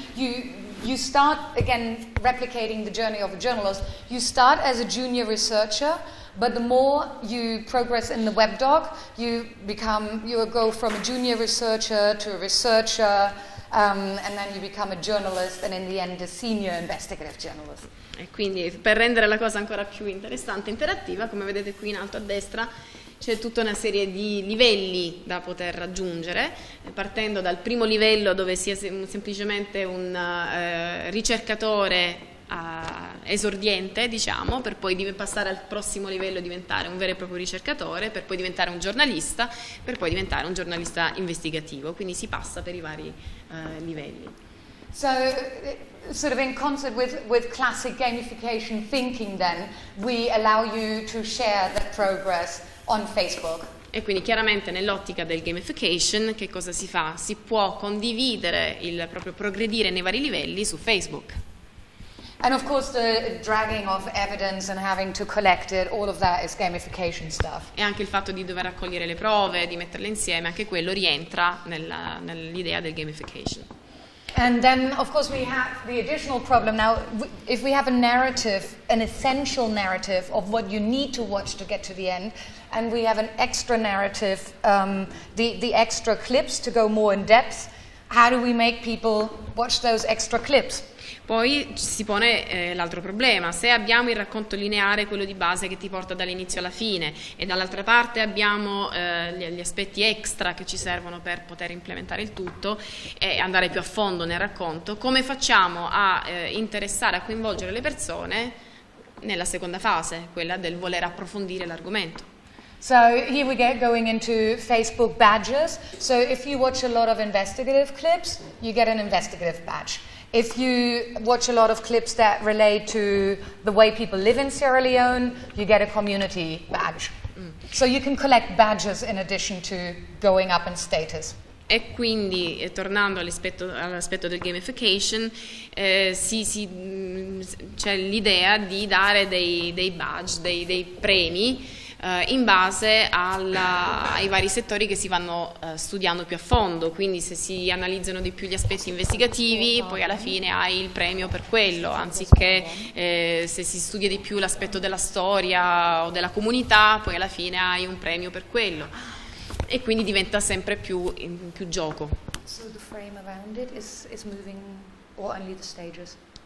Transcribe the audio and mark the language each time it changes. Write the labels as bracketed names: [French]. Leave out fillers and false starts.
[English] You start, again, replicating the journey of a journalist. You start as a junior researcher, but the more you progress in the webdoc, you go from a junior researcher to a researcher, and then you become a journalist, and in the end, a senior investigative journalist. [Italian] E quindi, per rendere la cosa ancora più interessante, interattiva, come vedete qui in alto a destra, c'è tutta una serie di livelli da poter raggiungere, partendo dal primo livello dove si è semplicemente un ricercatore esordiente, diciamo, per poi passare al prossimo livello e diventare un vero e proprio ricercatore, per poi diventare un giornalista, per poi diventare un giornalista investigativo. Quindi si passa per i vari livelli. [English] So, sort of in concert with classic gamification thinking then, we allow you to share that progress on Facebook. [Italian] E quindi chiaramente nell'ottica del gamification che cosa si fa? Si può condividere il proprio progredire nei vari livelli su Facebook. [English] And of course the dragging of evidence and having to collect it, all of that is gamification stuff. [Italian] E anche il fatto di dover raccogliere le prove, di metterle insieme, anche quello rientra nell'idea del gamification. [English] And then of course we have the additional problem now, if we have a narrative, an essential narrative of what you need to watch to get to the end, and we have an extra narrative, the extra clips to go more in depth, how do we make people watch those extra clips? [Italian] Poi si pone l'altro problema, se abbiamo il racconto lineare, quello di base che ti porta dall'inizio alla fine, e dall'altra parte abbiamo gli aspetti extra che ci servono per poter implementare il tutto e andare più a fondo nel racconto, come facciamo a interessare, a coinvolgere le persone nella seconda fase, quella del voler approfondire l'argomento? [English] So here we get going into Facebook badges. So if you watch a lot of investigative clips, you get an investigative badge. If you watch a lot of clips that relate to the way people live in Sierra Leone, you get a community badge. So you can collect badges in addition to going up in status. [Italian] E quindi, tornando all'aspetto del gamification, c'è l'idea di dare dei badge, dei premi, in base ai vari settori che si vanno studiando più a fondo, quindi se si analizzano di più gli aspetti investigativi poi alla fine hai il premio per quello, anziché se si studia di più l'aspetto della storia o della comunità poi alla fine hai un premio per quello, e quindi diventa sempre più gioco. [English] So the frame around it is moving, or only the stages?